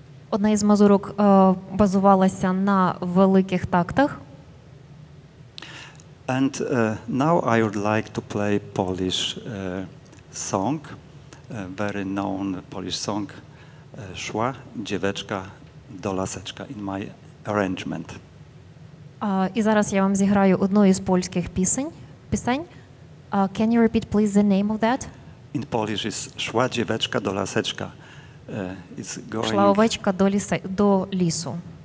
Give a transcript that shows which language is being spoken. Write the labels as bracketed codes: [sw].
[uk] Одна із мазурок базувалася на великих тактах. [en] And now I would like to play Polish song, very known Polish song, Szła dzieweczka do laseczka in my arrangement. [uk] І зараз я вам зіграю одну із польських пісень. [en] Can you repeat, please, the name of that? In Polish is Szła dzieweczka do laseczka. It's going... [uk] Шла овечка до, ліса, до лісу.